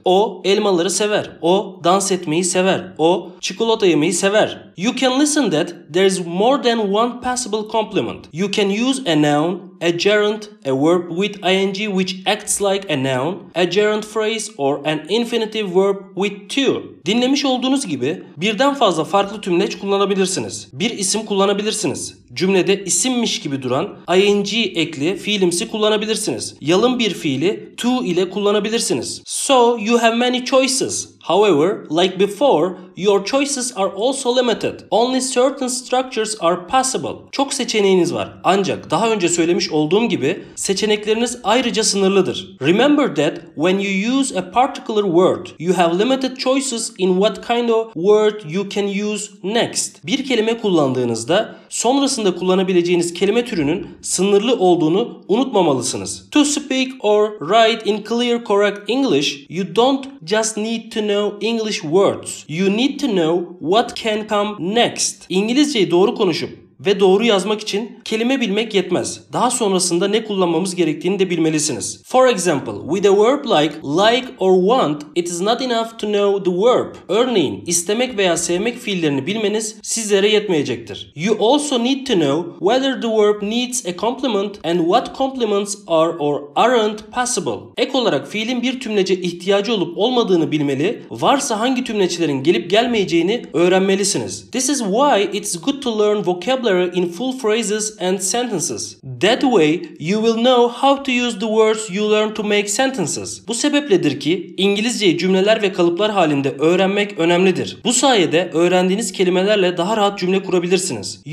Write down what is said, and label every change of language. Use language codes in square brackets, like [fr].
[tr] O elmaları sever. O dans etmeyi sever. O çikolata yemeyi sever. [en] You can listen that there is more than one possible compliment. You can use a noun, a gerund, a verb with ing which acts like a noun, a gerund phrase or an infinitive verb with to. [tr] Dinlemiş olduğunuz gibi birden fazla farklı tümleç kullanabilirsiniz. Bir isim kullanabilirsiniz. Cümlede isimmiş gibi duran ing ekli fiilimsi kullanabilirsiniz. Yalın bir fiili to ile kullanabilirsiniz. [en] So you have many choices. However, like before, your choices are also limited. Only certain structures are possible. [tr] Çok seçeneğiniz var. Ancak daha önce söylemiş olduğum gibi seçenekleriniz ayrıca sınırlıdır. [en] Remember that when you use a particular word, you have limited choices in what kind of word you can use next. [tr] Bir kelime kullandığınızda sonrasında kullanabileceğiniz kelime türünün sınırlı olduğunu unutmamalısınız. [en] To speak or write in clear, correct English, you don't just need to know English words. You need to know what can come next. [tr] İngilizceyi doğru konuşup ve doğru yazmak için kelime bilmek yetmez. Daha sonrasında ne kullanmamız gerektiğini de bilmelisiniz. [en] For example, with a verb like or want, it is not enough to know the verb. [tr] Örneğin, istemek veya sevmek fiillerini bilmeniz sizlere yetmeyecektir. [en] You also need to know whether the verb needs a complement and what complements are or aren't possible. [tr] Ek olarak fiilin bir tümlece ihtiyacı olup olmadığını bilmeli, varsa hangi tümleçlerin gelip gelmeyeceğini öğrenmelisiniz. [en] This is why it's good to learn vocabulary in full phrases and sentences. That way you will know how to use the words you learn to make sentences. [tr] Bu sebepledir ki İngilizceyi cümleler ve kalıplar halinde öğrenmek önemlidir. Bu sayede öğrendiğiniz kelimelerle daha rahat cümle kurabilirsiniz.